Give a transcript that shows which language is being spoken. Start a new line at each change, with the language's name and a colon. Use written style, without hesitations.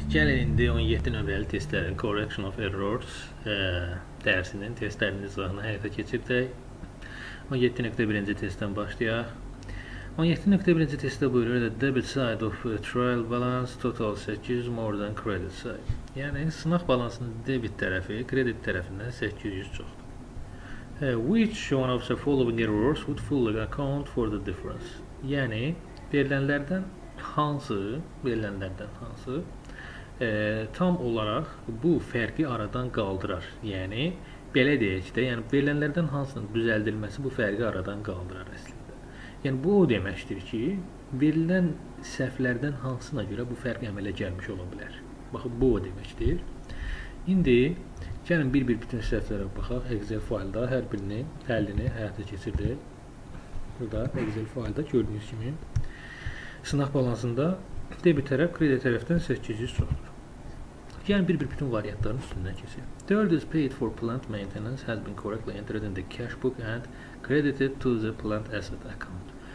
Azerbaijani: Gəlin indi 17 növrəli testlərin Correction of Errors dərsinin testlərinin izahını həyata keçirdik. 17.1-ci testdən başlayaq. 17.1-ci testdə buyurur da
English: debit side of trial balance total 800 more than credit side.
Azerbaijani: Yəni sınaq balansının debit tərəfi kredit tərəfindən 800 çoxdur.
English: Which one of the following errors would fully account for the difference?
Azerbaijani: Yəni, verilənlərdən hansı tam olaraq bu fərqi aradan qaldırar? Yəni, belə deyək də, yəni, verilənlərdən hansının düzəldilməsi bu fərqi aradan qaldırar əslində? Yəni, bu o deməkdir ki, verilən səhvlərdən hansına görə bu fərq əmələ gəlmiş ola bilər. Baxın, bu o deməkdir. İndi, gəlin bir-bir bütün səhvlərə baxaq. Excel faylda hər birinin həllini həyata keçirdi. Burada Excel faylda gördüyünüz kimi sınaq balansında debit tərəf, kredit tərəfdən 800 çoxdur. Gəlin bir-bir bütün variantların üstündən keçir.
English: The order is paid for plant maintenance has been correctly entered in the cash book and credited to the plant asset account.